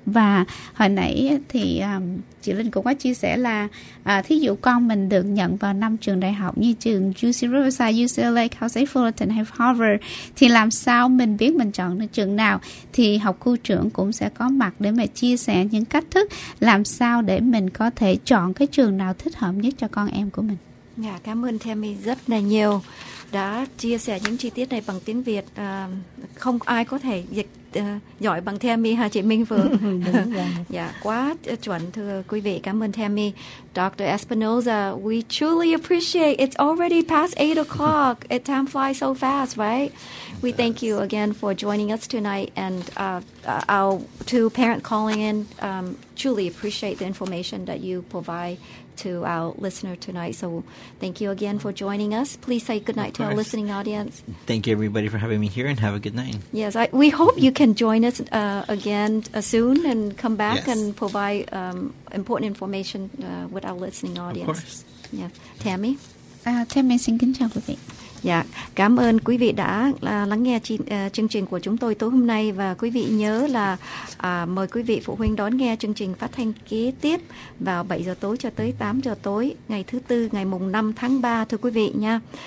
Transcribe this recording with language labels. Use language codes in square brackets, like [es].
[vi] Và hồi nãy thì chị Linh cũng có chia sẻ là thí dụ con mình được nhận vào năm trường đại học như trường UC Riverside, UCLA, Cal State Fullerton hay Harvard, thì làm sao mình biết mình chọn được trường nào, thì học khu trưởng cũng sẽ có mặt để mà chia sẻ những cách thức làm sao để mình có thể chọn cái trường nào thích hợp nhất cho con em của mình. Dạ, cảm ơn Tammy rất là nhiều đã chia sẻ những chi tiết này bằng tiếng Việt. Không ai có thể dịch giỏi bằng Tammy hả chị Minh Phương? Đúng rồi. Dạ, quá chuẩn thưa quý vị. Cảm ơn Tammy. Dr. [en] Espinoza, we truly appreciate it's already past 8 o'clock. It time flies so fast, right? We thank you again for joining us tonight. And our two parents calling in truly appreciate the information that you provide to our listener tonight. So thank you again for joining us. Please say good night to our listening audience. Thank you everybody for having me here and have a good night. Yes, we hope you can join us again soon and come back and provide important information with our listening audience. Of course. Yeah. Tammy? [vi] Tammy xin kính chào quý vị. Dạ, cảm ơn quý vị đã lắng nghe chương trình của chúng tôi tối hôm nay. Và quý vị nhớ là mời quý vị phụ huynh đón nghe chương trình phát thanh kế tiếp vào 7 giờ tối cho tới 8 giờ tối ngày thứ Tư, ngày mùng 5 tháng 3, thưa quý vị nha.